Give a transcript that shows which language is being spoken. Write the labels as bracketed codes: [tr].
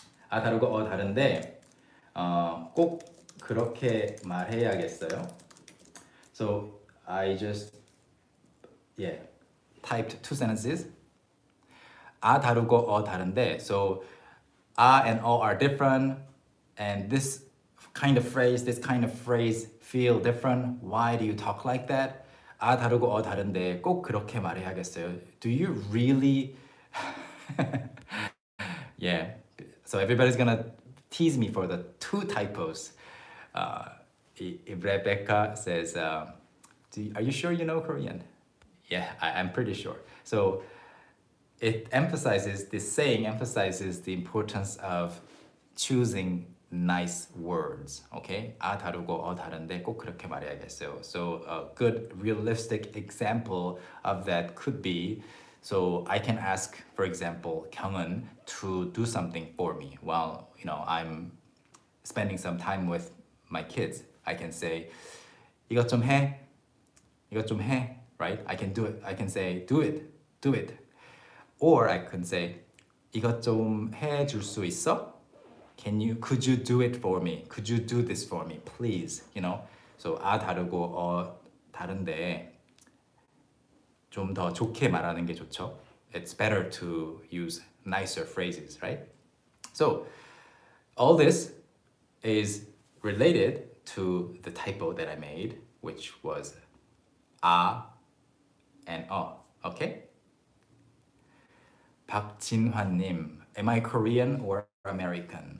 [ko] 아 다르고 어 다른데, 꼭 그렇게 말해야겠어요. [en] So I just Yeah. Typed two sentences. [ko] 아 다르고 어 다른데. [en] So, 아 and 어 are different. And this kind of phrase, this kind of phrase feel different. Why do you talk like that? [ko] 아 다르고 어 다른데 꼭 그렇게 말해야겠어요. [en] Do you really... yeah. So everybody's gonna tease me for the two typos. Rebecca says, are you sure you know Korean? Yeah, I'm pretty sure. So it emphasizes, this saying emphasizes the importance of choosing nice words, okay? [ko] 아 다르고 어 다른데 꼭 그렇게 말해야겠어요. [en] So a good realistic example of that could be, so I can ask, for example, 경은 to do something for me while, you know, I'm spending some time with my kids. I can say, [ko] 이것 좀 해. 이것 좀 해, [en] right? I can do it. I can say, do it, do it. Or I can say, [ko] 이것 좀 해줄 수 있어? [en] Can you, could you do it for me? Could you do this for me, please? You know? [ko] So, 아 다르고 어 다른데 좀 더 좋게 말하는 게 좋죠? [en] It's better to use nicer phrases, right? So, all this is related to the typo that I made, which was 아 and 어, okay? 박진환님, am I Korean or American?